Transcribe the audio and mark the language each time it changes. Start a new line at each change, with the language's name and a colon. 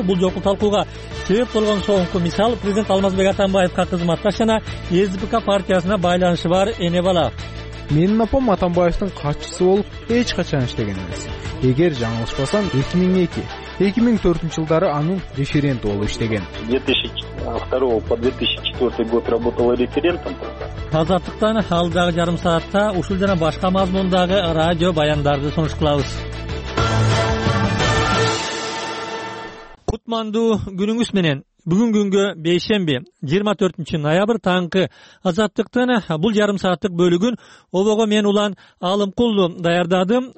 Kyrgyz: Бул жолку талкууга себеп болгон соңку мисал президент Алмазбек Атамбаевка кызматташ жана СДПК партиясына байланышы бар эне бала. Менин апам Атамбаевдин катчысы болуп эч качан иштеген эмес. Эгер жаңылышпасам 2002-2004 жылдары анын референти болуп иштеген.
Russian: 2002-2004 год работала референтом.
Kyrgyz: Азаттыктан алдагы жарым саатта ушул жана башка мазмундагы радио баяндарды сунушкалабыз. Кутмандуу күнүңүз менен. Бүгүн күнгө бейшемби, 24 ноябрь таңкы Азаттыктын бул жарым сааттык бөлүгүн Обого мен Улан Алымкулду даярдадым.